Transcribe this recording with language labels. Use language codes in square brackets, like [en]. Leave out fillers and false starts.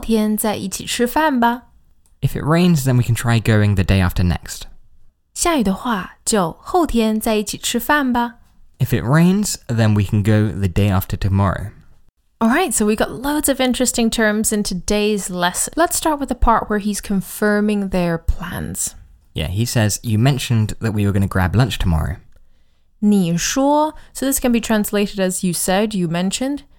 [zh] 下雨的话,就后天再一起吃饭吧。If [en] it rains, then we can try going the day after next. [zh] 下雨的话,就后天再一起吃饭吧。 [en] If it rains, then we can go the day after tomorrow. All right, so we got loads of interesting terms in today's lesson. Let's start with the part where he's confirming their plans. Yeah, he says, you mentioned that we were going to grab lunch tomorrow. 你说, so this can be translated as you said, you mentioned.